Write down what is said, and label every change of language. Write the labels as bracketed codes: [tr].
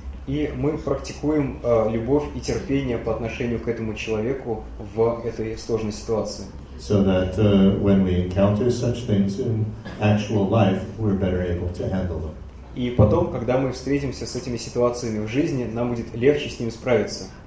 [ru] И мы практикуем любовь и терпение по отношению к этому человеку в этой сложной ситуации. [en] So that when we encounter such things in actual life, we're better able to handle them. [ru] И потом, когда мы встретимся с этими ситуациями в жизни, нам будет легче с ними справиться.